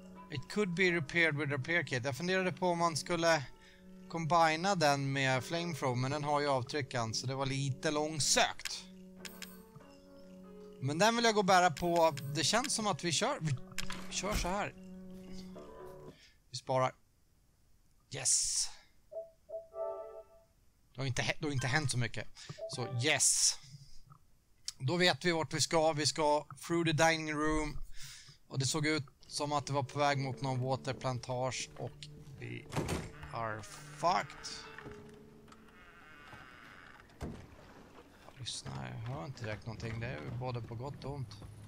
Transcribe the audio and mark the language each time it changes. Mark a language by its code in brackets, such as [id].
[en] It could be repaired with repair kit. [sv] Jag funderade på om man skulle kombina den med flamethrower, men den har ju avtryckan, så det var lite långsökt. Men den vill jag gå och bära på. Det känns som att vi kör så här. Vi sparar. Yes. Det har inte hänt så mycket. Så yes. Då vet vi vart vi ska. Vi ska [en] through the dining room. [sv] Och det såg ut som att det var på väg mot någon waterplantage. Och vi [en] are fucked. [sv] Lyssna, jag hör inte direkt någonting. Det är både på gott och ont.